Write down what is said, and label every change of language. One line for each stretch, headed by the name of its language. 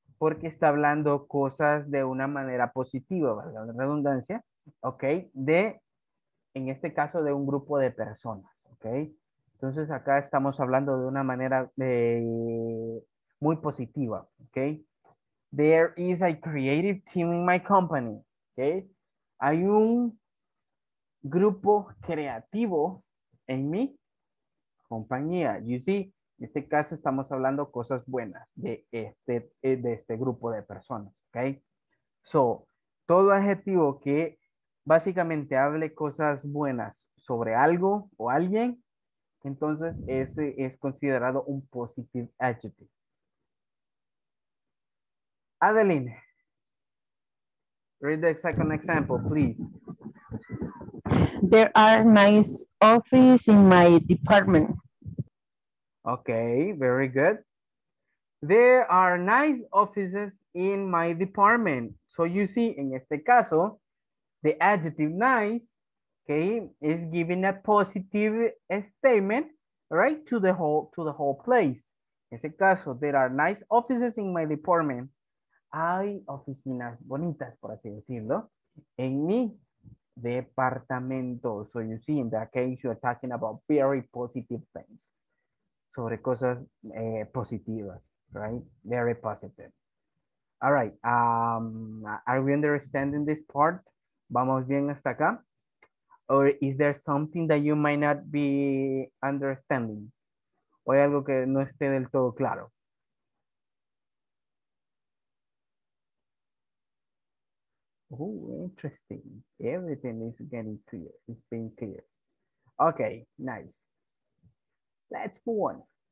Spanish: Porque está hablando cosas de una manera positiva, valga la redundancia, ¿ok? De, en este caso, de un grupo de personas, ¿ok? Entonces, acá estamos hablando de una manera muy positiva, ¿ok?
English: There is a creative team in my company.
Spanish: Okay? Hay un grupo creativo en mi compañía.
English: You see,
Spanish: en este caso estamos hablando cosas buenas de este grupo de personas. Okay? So, todo adjetivo que básicamente hable cosas buenas sobre algo o alguien, entonces ese es considerado un positive adjective.
English: Adeline, read the second example, please. There are nice offices in my department. Okay, very good. There are nice offices in my department. So you see, in
Spanish: este caso,
English: the adjective nice, okay, is giving a positive statement, right, to the whole place.
Spanish: En este caso,
English: there are nice offices in my department.
Spanish: Hay oficinas bonitas, por así decirlo, en mi departamento.
English: So you see, in that case, you are talking about very positive things.
Spanish: Sobre cosas positivas,
English: right? Very positive. All right. Are we understanding this part?
Spanish: ¿Vamos bien hasta acá?
English: Or is there something that you might not be understanding?
Spanish: ¿O hay algo que no esté del todo claro?
English: Oh, interesting. Everything is getting clear. It's being clear. Okay, nice. Let's move on.